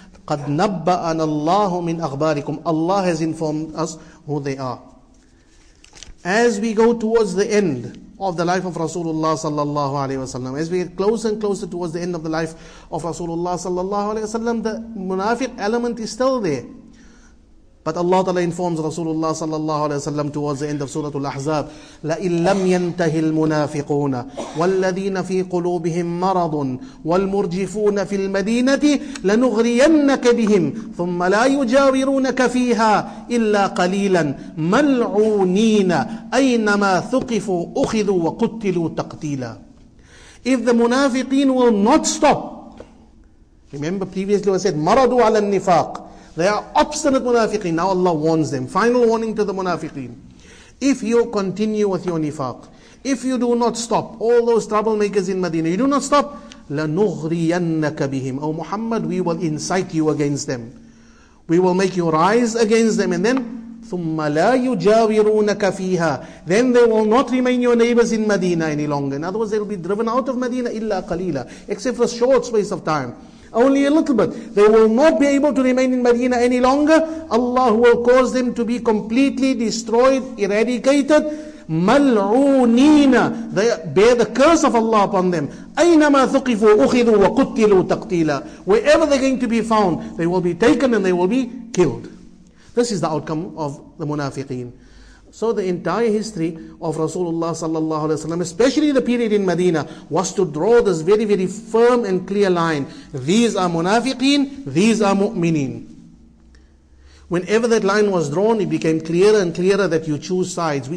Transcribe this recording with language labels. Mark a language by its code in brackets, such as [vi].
[ar] قَدْ نَبَّأَنَ اللَّهُ مِنْ أَخْبَارِكُمْ. [en] Allah has informed us who they are. As we go towards the end of the life of Rasulullah sallallahu alaihi wasallam, as we get closer and closer towards the end of the life of Rasulullah sallallahu alaihi wasallam, the munafiq element is still there. But Allah Ta'ala informs Rasulullah sallallahu alayhi wa sallam towards the end of Surah Al-Ahzab, [ar] لَإِنْ لَمْ يَنْتَهِ الْمُنَافِقُونَ وَالَّذِينَ فِي قُلُوبِهِمْ مَرَضٌ وَالْمُرْجِفُونَ فِي الْمَدِينَةِ لَنُغْرِيَنَّكَ بِهِمْ ثُمَّ لَا يُجَاوِرُونَكَ فِيهَا إِلَّا قَلِيلًا مَلْعُونِينَ أَيْنَمَا ثُقِفُوا أُخِذُوا وَقُتِّلُوا تَقْتِيلًا. [en] If the munafiqeen will not stop, remember previously I said, [ar] مَرَضُوا عَلَى النِّفَاقِ. [en] They are obstinate munafiqeen. Now Allah warns them. Final warning to the munafiqeen. If you continue with your nifaq, if you do not stop, all those troublemakers in Medina, you do not stop, [ar] لَنُغْرِيَنَّكَ بِهِمْ. [en] O Muhammad, we will incite you against them. We will make you rise against them. And then, [ar] ثُمَّ لَا يُجَاوِرُونَكَ فِيهَا. [en] Then they will not remain your neighbors in Medina any longer. In other words, they will be driven out of Medina [ar] إِلَّا قَلِيلًا, [en] except for a short space of time. Only a little bit. They will not be able to remain in Medina any longer. Allah will cause them to be completely destroyed, eradicated. [ar] مَلْعُونِينَ. [en] They bear the curse of Allah upon them. [ar] أَيْنَمَا ثُقِفُوا أُخِذُوا وَقُتِّلُوا تَقْتِيلًا. [en] Wherever they're going to be found, they will be taken and they will be killed. This is the outcome of the munafiqeen. So the entire history of Rasulullah sallallahu alaihi wasallam, especially the period in Medina, was to draw this very, very firm and clear line. These are munafiqeen, these are mu'mineen. Whenever that line was drawn, it became clearer and clearer that you choose sides.